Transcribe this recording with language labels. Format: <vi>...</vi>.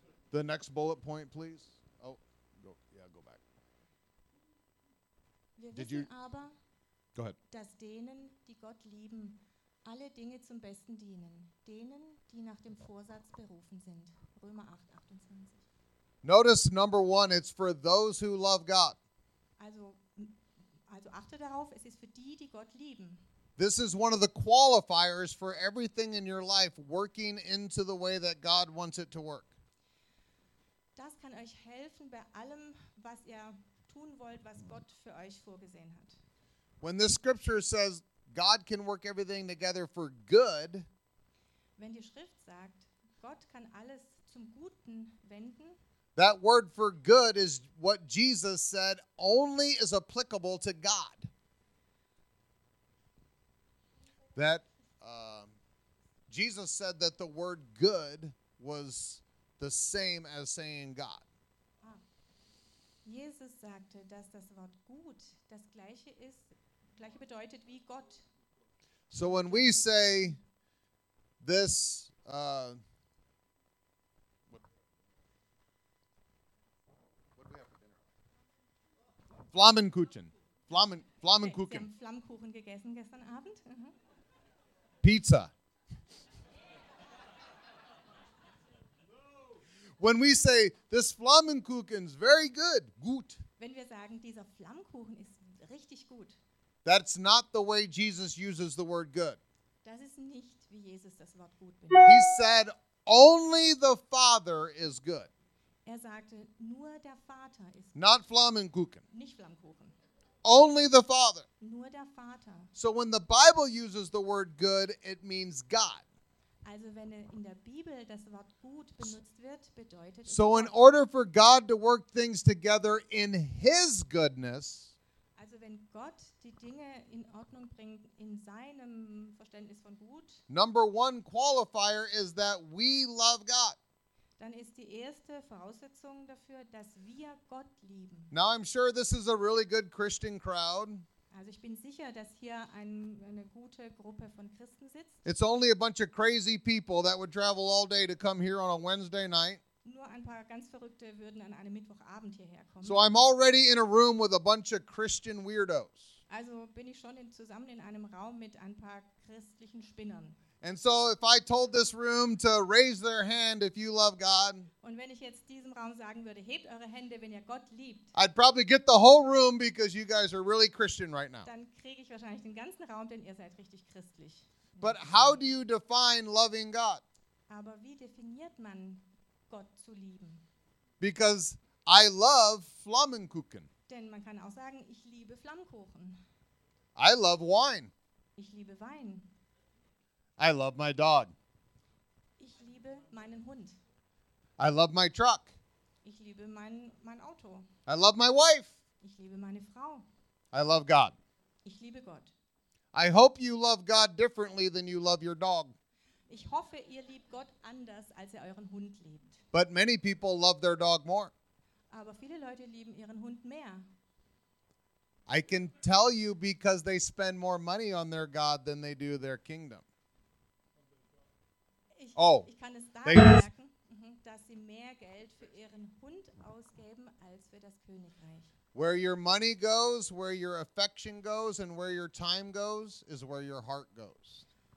<en>The next bullet point, please. Oh, go back. Wir Did wissen you? Aber, go ahead.</en> <de>Dass denen, die Gott lieben, alle Dinge zum Besten dienen, denen, die nach dem Vorsatz berufen sind. Römer 8, 28.</de> <en>Notice number one, it's for those who love God.</en> <de>Also achte darauf, es ist für die, die Gott lieben.</de> <en>This is one of the qualifiers for everything in your life working into the way that God wants it to work.</en> <de>Das kann euch helfen bei allem, was ihr tun wollt, was Gott für euch vorgesehen hat.</de> <en>When this scripture says, God can work everything together for good.</en> <de>Wenn die Schrift sagt, Gott kann alles zum Guten wenden.</de> <en>That word for good is what Jesus said only is applicable to God. That Jesus said that the word good was the same as saying God.</en> <de>Jesus sagte, dass das Wort gut das gleiche ist, gleiche bedeutet wie Gott.</de> <en>So when we say this, what do we have for dinner?</en> <de>Flammenkuchen. Flammenkuchen. Flammkuchen gegessen gestern Abend.</de> <en>Pizza. When we say this Flammkuchen is very good, gut.</en> <de>Wenn wir sagen, dieser Flammkuchen ist richtig gut.</de> <en>That's not the way Jesus uses the word good.</en> <de>Das ist nicht, wie Jesus das Wort gut benutzt.</de> <en>He said only the Father is good.</en> <de>Er sagte, nur der Vater ist</de> <en>gut. Not Flammkuchen.</en> <de>Nicht Flammkuchen.</de> <en>Only the Father.</en> <de>Nur der Vater.</de> <en>So when the Bible uses the word good, it means God.</en> <de>Also wenn in der Bibel das Wort gut benutzt wird, bedeutet</de> <en>so in order for God to work things together in his goodness,</en> <de>also wenn Gott die Dinge in Ordnung bringt in seinem Verständnis von gut,</de> <en>number one qualifier is that we love God.</en> <de>Dann ist die erste Voraussetzung dafür, dass wir Gott lieben.</de> <en>Now I'm sure this is a really good Christian crowd.</en> <de>Also ich bin sicher, dass hier eine gute Gruppe von Christen sitzt.</de> <en>It's only a bunch of crazy people that would travel all day to come here on a Wednesday night.</en> <de>Nur ein paar ganz Verrückte würden an einem Mittwochabend hierher kommen.</de> <en>So I'm already in a room with a bunch of Christian weirdos.</en> <de>Also bin ich schon zusammen in einem Raum mit ein paar christlichen Spinnern.</de> <en>And so if I told this room to raise their hand if you love God,</en> <de>und wenn ich jetzt diesem Raum sagen würde, hebt eure Hände, wenn ihr Gott liebt,</de> <en>I'd probably get the whole room because you guys are really Christian right now.</en> <de>Dann kriege ich wahrscheinlich den ganzen Raum, denn ihr seid richtig christlich.</de> <en>But how do you define loving God?</en> <de>Aber wie definiert man Gott zu lieben?</de> <en>Because I love Flammkuchen.</en> <de>Denn man kann auch sagen, ich liebe Flammkuchen.</de> <en>I love wine.</en> <de>Ich liebe Wein.</de> <en>I love my dog.</en> <de>Ich liebe meinen Hund.</de> <en>I love my truck.</en> <de>Ich liebe mein Auto.</de> <en>I love my wife.</en> <de>Ich liebe meine Frau.</de> <en>I love God.</en> <de>Ich liebe Gott.</de> <en>I hope you love God differently than you love your dog.</en> <de>Ich hoffe, ihr liebt Gott anders, als ihr euren Hund liebt.</de> <en>But many people love their dog more.</en> <de>Aber viele Leute lieben ihren Hund mehr.</de> <en>I can tell you because they spend more money on their God than they do their kingdom.</en> <de>Oh, ich kann es daran merken, dass sie mehr Geld für ihren Hund ausgeben als für das Königreich.</de> <en>Where your money goes, where your affection goes, and where your time goes, is where your heart goes.</en>